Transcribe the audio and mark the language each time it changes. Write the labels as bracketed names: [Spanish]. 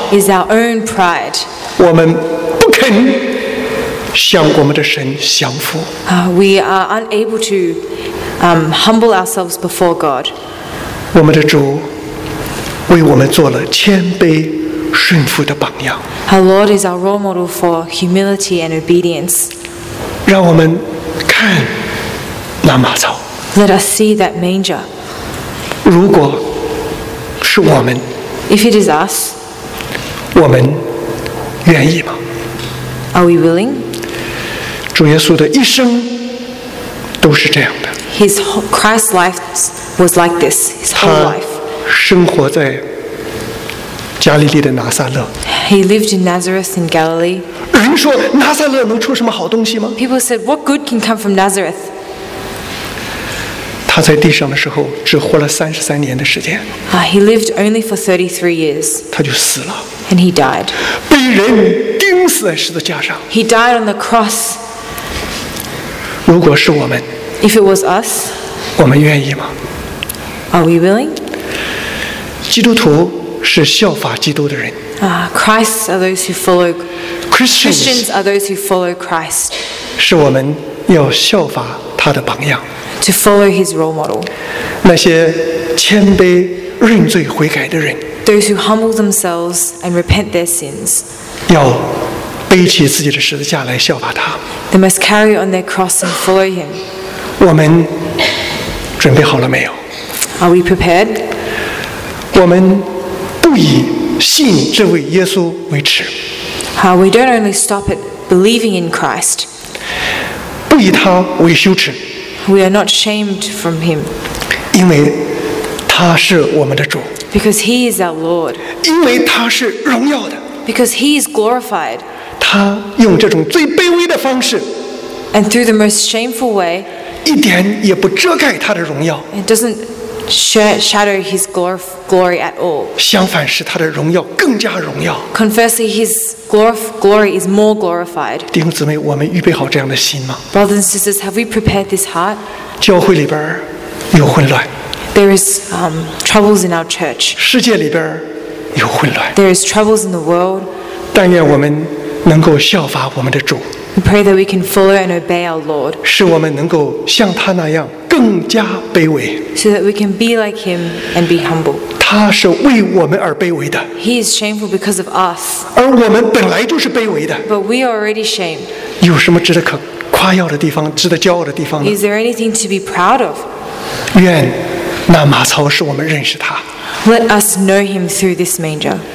[English] Is our own pride. [Chinese] 我们不肯向我们的神降服。 [English] We are unable to humble ourselves before God. [Chinese] 我们的主为我们做了谦卑顺服的榜样。 [English] Our Lord is our role model for humility and obedience. [Chinese] 让我们看那马槽。 [English] Let us see that manger. [Chinese] 如果是我们， [English] If it is us, [Chinese] 我们愿意吗？ [English] Are we willing? [Chinese] 主耶稣的一生都是这样的。 [English] His Christ's life was like this. His whole life. [Chinese] 他生活在加利利的拿撒勒。 [English] He lived in Nazareth in Galilee. [Chinese] 人说拿撒勒能出什么好东西吗？ [English] People said, what good can come from Nazareth? [Chinese] 他在地上的时候只活了33年的时间。 [English] He lived only for 33 years. [Chinese] 他就死了。 [English] And he died. [Chinese] 被人钉死在十字架上。 [English] He died on the cross. [Chinese] 如果是我们， [English] If it was us, [Chinese] 我们愿意吗？ [English] Are we willing? [Chinese] 基督徒是效法基督的人。 [English] Christians are those who follow Christ. Christians are those who follow Christ. [Chinese] 是我们要效法他的榜样。 [English] To follow his role model. [Chinese] 那些谦卑认罪悔改的人， [English] Those who humble themselves and repent their sins. [Chinese] 要背起自己的十字架来效法他。 [English] They must carry on their cross and follow him. [Chinese] 我们准备好了没有？ [English] Are we prepared? [Chinese] 我们不以信这位耶稣为耻。 [English] We don't only stop at believing in Christ. [Chinese] 不以他为羞耻。 [English] We are not shamed from him. [Chinese] 因为他是我们的主。 [English] Because he is our Lord. [Chinese] 因为他是荣耀的。 [English] Because he is glorified. [Chinese] 他用这种最卑微的方式， [English] and through the most shameful way， [Chinese] 一点也不遮盖他的荣耀， [English] it doesn't shadow his glory at all， [Chinese] 相反使他的荣耀更加荣耀， [English] conversely his glory is more glorified。 [Chinese] 弟兄姊妹，我们预备好这样的心吗？ [English] Brothers and sisters, have we prepared this heart？ [Chinese] 教会里边有混乱， [English] there is troubles in our church。 [Chinese] 世界里边有混乱。 [English] There is troubles in the world. [Chinese] 但愿我们能够效法我们的主。 [English] We pray that we can follow and obey our Lord. [Chinese] 使我们能够像他那样更加卑微。 [English] So that we can be like him and be humble. [Chinese] 他是为我们而卑微的。 [English] He is shameful because of us. [Chinese] 而我们本来就是卑微的。 [English] But we are already shamed. [Chinese] 有什么值得可夸耀的地方，值得骄傲的地方呢？ [English] Is there anything to be proud of? [Chinese] 愿那马槽使我们认识他。 [English] Let us know him through this manger.